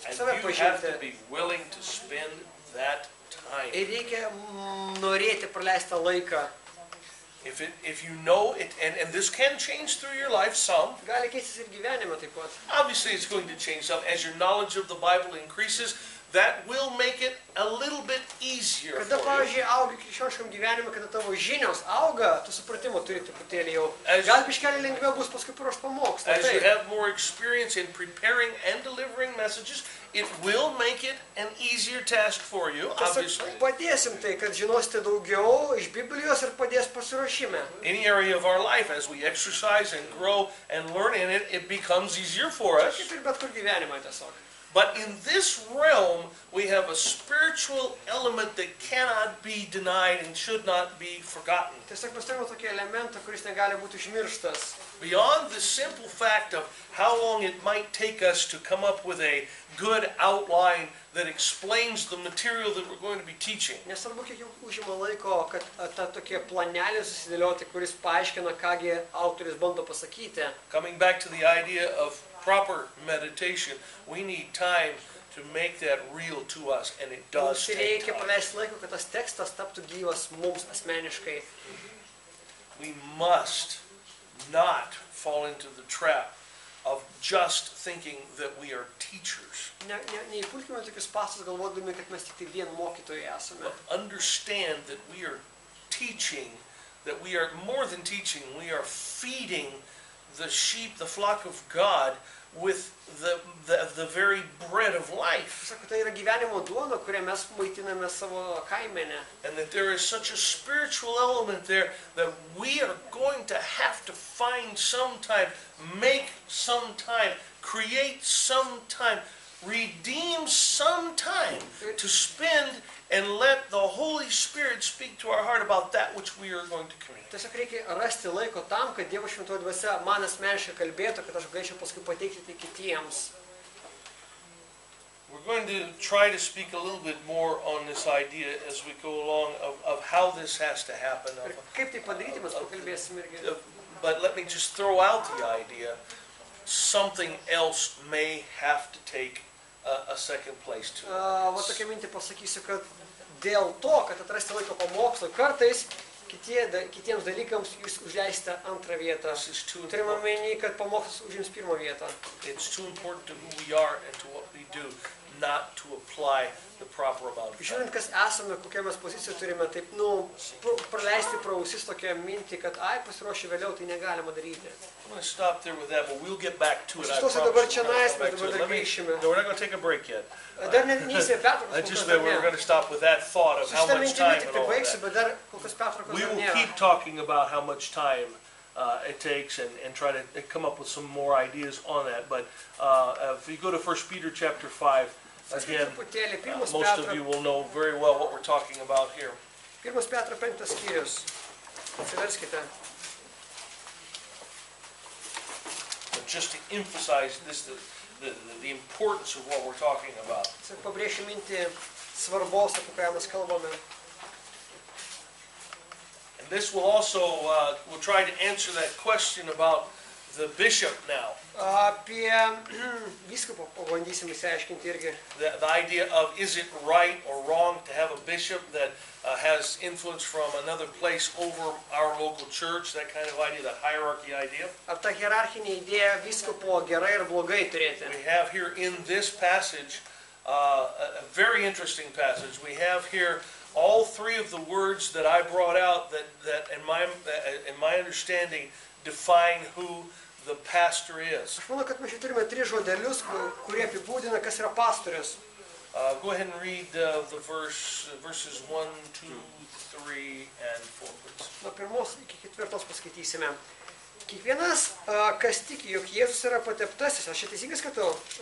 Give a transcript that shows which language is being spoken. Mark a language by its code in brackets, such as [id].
[en] And you have to be willing to spend that time. [lt] Ir reikia norėti praleisti laiką. [en] If you know it, and this can change through your life some. [lt] Gali keistis ir gyvenime taip pat. [en] Obviously it's going to change some. As your knowledge of the Bible increases, that will make it a little bit easier for you. [lt] Kada, pavyzdžiui, augi krikščioniškam gyvenime, kada tavo žinios auga, tu supratimo turi truputėlį jau. Gal biškelį lengviau bus paskui paruošt pamokslą. [en] As you have more experience in preparing and delivering messages, it will make it an easier task for you, obviously. [lt] Padėsim tai, kad žinosite daugiau iš Biblijos ir padės pasiruošime. [en] Any area of our life, as we exercise and grow and learn in it, it becomes easier for us. [lt] Kaip ir bet kur gyvenime, tiesiog. [en] But in this realm, we have a spiritual element that cannot be denied and should not be forgotten. [lt] Tiesiog mes turime tokį elementą, kuris negali būti užmirštas. [en] Beyond the simple fact of how long it might take us to come up with a good outline that explains the material that we're going to be teaching. [lt] Nesvarbu, kiek užima laiko, kad ta tokia planelė susidėlioti, kuris paaiškina, kągi autorius bando pasakyti. [en] Coming back to the idea of proper meditation, we need time to make that real to us, and it does take time. [lt] Reikia praleisti laiko, kad tas tekstas taptų gyvas mums asmeniškai. [en] We must not fall into the trap of just thinking that we are teachers. [lt] Neįpulkime tokius pastus galvodami, kad mes tik vien mokytojai esame. [en] But understand that we are teaching, that we are more than teaching, we are feeding the sheep, the flock of God, with the very bread of life. [lt] Sako, tai yra gyvenimo duona, kurią mes maitiname savo kaimene. [en] And that there is such a spiritual element there that we are going to have to find some time, make some time, create some time, redeem some time to spend and let the Holy Spirit speak to our heart about that which we are going to communicate. [lt] Tiesiog reikia rasti laiko tam, kad Dievo Šventoji Dvasia man asmeniškai kalbėtų, kad aš galėčiau paskui pateikti tai kitiems. [en] We're going to try to speak a little bit more on this idea as we go along of how this has to happen. [lt] Kaip tai padaryti, mes pakalbėsim irgi. [en] But let me just throw out the idea, something else may have to take a second place to. [lt] Va tokia mintį pasakysiu, kad dėl to, kad atrasti laiko pamokslui, kartais kitiems dalykams jūs užleisite antrą vietą. Turime omeny, kad pamokslas užims pirmą vietą. [en] It's too important to who we are and to what we do, not to apply the proper amount. [lt] Žinant, kas esame, kokią mes poziciją turime, taip, nu, praleisti pro ausis tokią mintį, kad ai, pasiruošiu vėliau, tai negalima daryti. [en] I'm going to stop there with that, but we'll get back to it. [lt] Sustosiu dabar čia naisme, bet dabar dar grįšime. [en] No, we're not going to take a break yet. [lt] Dar neįsime pertraukos. [en] I just meant we're going to stop with that thought of how much time and all that. We will keep talking about how much time it takes and try to come up with some more ideas on that, but if you go to 1 Peter chapter 5, again, most of you will know very well what we're talking about here. [lt] 1 Petro 5 skyrius. Atsiverskite. [en] But just to emphasize this, the importance of what we're talking about. [lt] Tiesiog pabrėšiu mintį svarbos, apie ką mes kalbame. [en] And this will also, we'll try to answer that question about the bishop now. [lt] Apie vyskupą pabandysim išsiaiškinti irgi. [en] The idea of is it right or wrong to have a bishop that has influence from another place over our local church, that kind of idea, the hierarchy idea. [lt] Ar ta hierarchinė idėja vyskupo gerai ir blogai turėti? [en] We have here in this passage, a very interesting passage, we have here all three of the words that I brought out that in my understanding define who the pastor is. [lt] Aš manau, kad mes čia turime tris žodelius, kurie apibūdina, kas yra pastorius. [en] Go ahead and read the verses 1, 2, 3, and 4, please. [lt] Nuo pirmos iki ketvirtos paskaitysime. Kiekvienas, kas tiki, jog Jėzus yra pateptasis, aš čia teisingai skaitau?